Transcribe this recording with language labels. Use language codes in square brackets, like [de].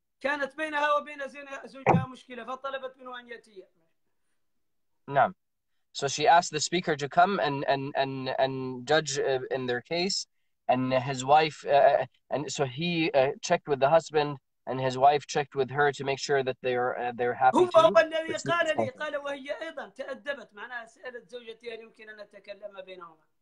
[ar] كانت بينها وبين زوجها مشكلة فطلبت منه أن يأتي نعم [en] So she asked the speaker to come and judge in their case. And his wife, and so he checked with the husband, and his wife checked with her to make sure that they're happy. [ar] هو هو الذي قال لي قال وهي أيضا تأدبت معنا سألت زوجتي هل يمكن أن أتكلم بينهما.